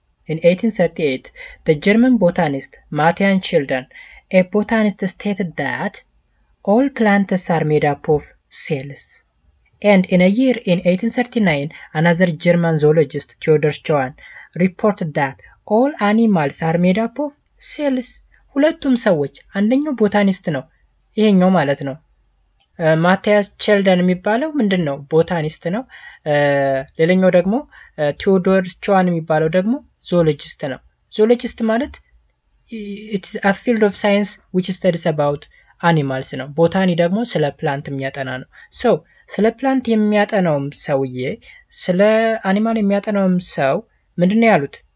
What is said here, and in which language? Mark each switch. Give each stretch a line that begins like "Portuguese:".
English: in 1838 the German botanist Martin Schilden a botanist stated that all plants are made up of cells. And in a year in 1839 another German zoologist Theodor Schön reported that all animals are made up of cells.
Amharic: ሁለቱም ሰዎች አንደኛው ቦታኒስት ነው ይሄኛው ማለት ነው። ማቲያስ ቺልደን የሚባለው ምንድነው ቦታኒስት ነው። ሌላኛው ደግሞ ቴዎዶር ስቹዋን የሚባለው ደግሞ ዞሎጂስት ነው። ዞሎጂስት ማለት
English: it is a field of science which studies about animals
Amharic: ነው። ቦታኒ ደግሞ ስለ ፕላንት የሚያጠና ነው። ሶ ስለ ፕላንት የሚያጠናውም ሰውዬ ስለ አኒማል የሚያጠናውም ሰው ምንድነው ያሉት?